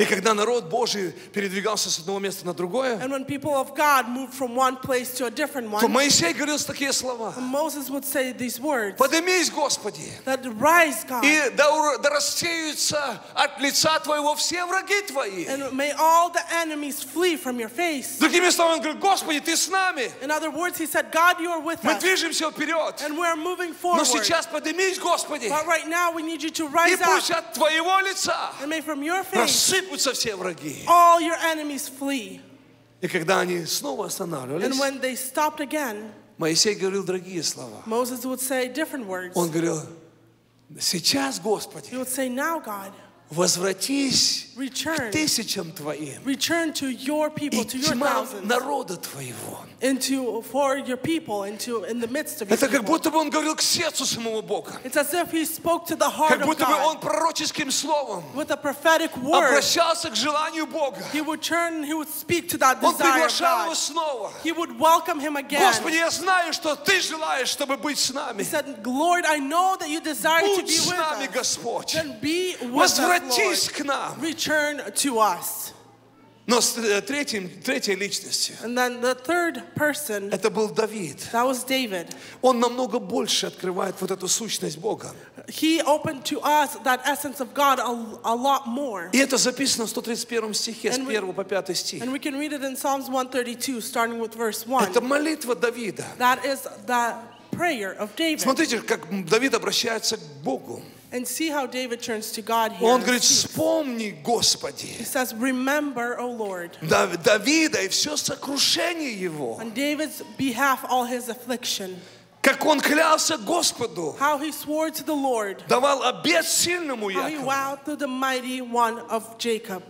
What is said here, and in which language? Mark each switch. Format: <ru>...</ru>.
<ru>И когда народ Божий передвигался с одного места на другое.</ru> <en>And when people of God moved from one place to a different one.</en> <ru>То Моисей говорил такие слова.</ru> <en>Moses would say these words.</en> <ru>Поднимись, Господи.</ru> <en>That rise, God.</en> <ru>И да рассеются от лица твоего все враги твои.</ru> <en>And may all the enemies flee from your face.</en> <ru>Другими словами, он говорит, Господи, ты с нами.</ru> <en>In other words, he said, God, you are with</en> <ru>мы</ru> <en>us.</en> <ru>Мы движемся вперед.</ru> <en>And we are moving forward.</en> <ru>Но сейчас поднимись.</ru> <en>But right now we need you to rise up.</en> <ru>И пусть от твоего лица</ru> <en>and may from your face</en> <ru>рассыпутся все враги.</ru> <en>All your enemies flee.</en> <ru>И когда они снова останавливались,</ru> <en>and when they stopped again,</en> <ru>Моисей говорил другие слова.</ru> <en>Moses would say different words.</en> <ru>Он говорил, сейчас, Господи,</ru> <en>he would say, now, God,</en> <ru>возвратись</ru> <en>return,</en> <ru>к тысячам твоим,</ru> <en>return to your people,</en> <ru>и</ru> <en>to your thousands,</en> <ru>народа твоего.</ru> <en>Into for your people, into in the midst of your</en> <ru>это как будто бы он говорил к сердцу самого Бога.</ru> <en>It's as if he spoke to the heart of God.</en> <ru>Как будто бы он пророческим словом.</ru> <en>With a prophetic word.</en> <ru>Обращался к желанию Бога.</ru> <en>He would turn, he would speak to that desire.</en> <ru>Он приглашал его снова.</ru> <en>He would welcome him again.</en> <ru>Господи, я знаю, что ты желаешь, чтобы быть с нами.</ru> <en>He said, Lord, I know that you desire</en> <ru>будь</ru> <en>to be with us.</en> <ru>Будь с нами, Господь.</ru> <en>Then be with us, Lord.</en> <ru>Возвратись к нам.</ru> <en>Return to us.</en> <ru>Но с третьей личностью.</ru> <en>And then the third person,</en> <ru>это был Давид.</ru> <en>That was David.</en> <ru>Он намного больше открывает вот эту сущность Бога.</ru> <en>He opened to us that essence of God a lot more.</en> <ru>И это записано в 131 стихе, с 1 по 5 стих.</ru> <en>And we can read it in Psalms 132, starting with verse 1.</en> <ru>Это молитва Давида.</ru> <en>That is the prayer of David.</en> <ru>Смотрите, как Давид обращается к Богу.</ru> <en>And see how David turns to God here.</en> <ru>Он говорит, вспомни, Господи.</ru> <en>He says, remember, O Lord.</en> <ru>Давида и все сокрушение его.</ru> <en>On David's behalf, all his affliction.</en> <ru>Как он клялся Господу.</ru> <en>How he swore to the Lord.</en> <ru>Давал обет сильному Якову.</ru> <en>How he vowed to the mighty one of Jacob.</en>